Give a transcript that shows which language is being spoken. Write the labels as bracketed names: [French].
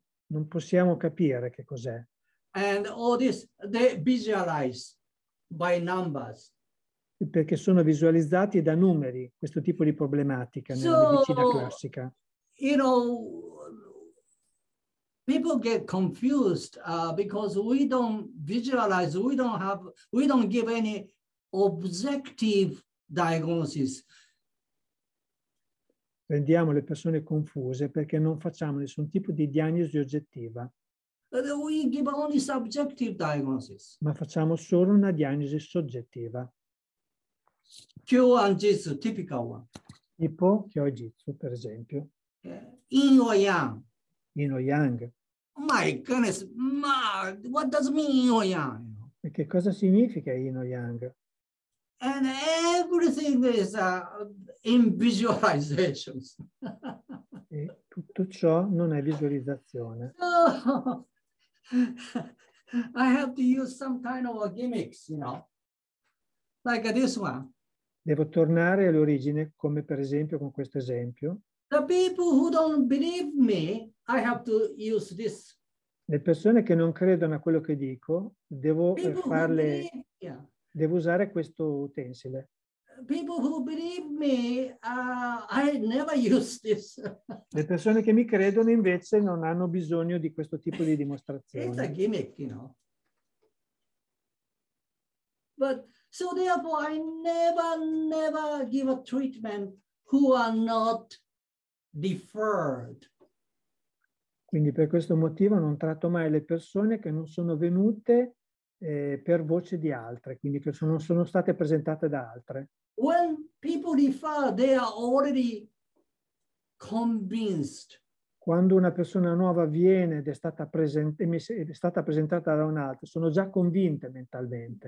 [Italian] Non possiamo capire che cos'è. [English] And all this, they visualize by numbers. [Italian] Perché sono visualizzati da numeri, questo tipo di problematica nella medicina classica. [English] You know, people get confused because we don't visualize, we don't give any objective diagnosis. [Italian] Rendiamo le persone confuse perché non facciamo nessun tipo di diagnosi oggettiva. [English] We give only subjective diagnosis. [Italian] Ma facciamo solo una diagnosi soggettiva. [English] Kyo and Jitsu, typical one. [Italian] Tipo Kyo e Jitsu, per esempio. [English] Yin or Yang. Yin or Yang. My goodness, [Italian] ma, [English] what does mean Yin or Yang? [Italian] E che cosa significa Yin or Yang? [English] And everything is in visualizations. [Italian] E tutto ciò non è visualizzazione. [English] So, I have to use some kind of a gimmicks, you know, like this one. [Italian] Devo tornare all'origine, come per esempio con questo esempio. [English] The people who don't believe me, I have to use this. [Italian] Le persone che non credono a quello che dico, devo [English] people [Italian] farle. Devo usare questo utensile. [English] People who believe me, I never use this. [Italian] Le persone che mi credono invece non hanno bisogno di questo tipo di dimostrazione. [English] It's a gimmick, you know. But so therefore I never give a treatment who are not deferred. [Italian] Quindi per questo motivo non tratto mai le persone che non sono venute per voce di altre, quindi che sono state presentate da altre. [English] When people refer, they are already convinced. [Italian] Quando una persona nuova viene ed è stata presentata da un'altra, sono già convinte mentalmente.